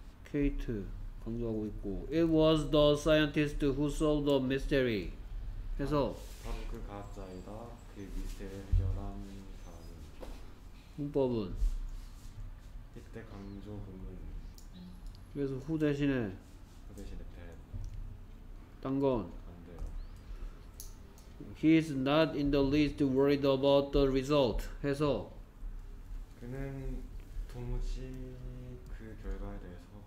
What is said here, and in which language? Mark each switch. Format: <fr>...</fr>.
<ko>케이트 강조하고 있고</ko> <en>It was the scientist who solved the mystery.</en> <ko>해서 바로 그 과학자이다. 그 미스터리를 해결한 사람. 문법은 이때 강조 부분. 그래서 후 대신에 후 대신에 that. 딴 건 안 돼요.</ko> <en>He is not in the least worried about the result.</en> <ko>해서 그는 도무지 그 결과에 대해</ko>